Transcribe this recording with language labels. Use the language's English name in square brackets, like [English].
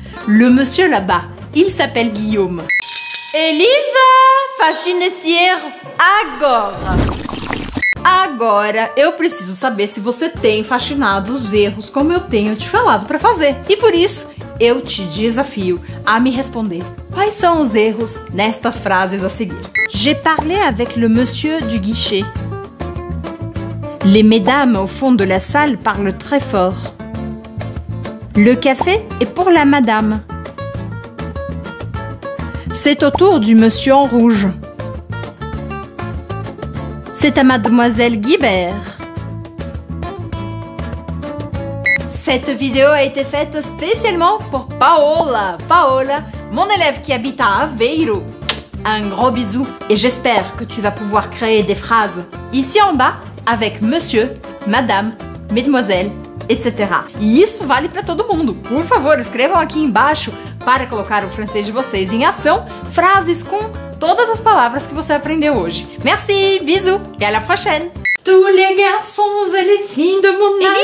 [French] Le monsieur là-bas, il s'appelle Guillaume. [Portuguese] Elisa, faxineira, agora! Agora, eu preciso saber se você tem faxinado os erros como eu tenho te falado para fazer. E por isso, eu te desafio a me responder quais são os erros nestas frases a seguir. [French] J'ai parlé avec le monsieur du guichet. Les mesdames au fond de la salle parlent très fort. Le café est pour la madame. C'est au tour du monsieur en rouge. C'est à mademoiselle Guibert. Cette vidéo a été faite spécialement pour Paola. Paola, mon élève qui habite à Aveiro. Un gros bisou et j'espère que tu vas pouvoir créer des phrases ici en bas. Avec monsieur, madame, mademoiselle, etc. [Portuguese] E isso vale para todo mundo. Por favor, escrevam aqui embaixo para colocar o francês de vocês em ação frases com todas as palavras que você aprendeu hoje. [French] Merci, bisous et à la prochaine. Tous les garçons et les filles de mon âge,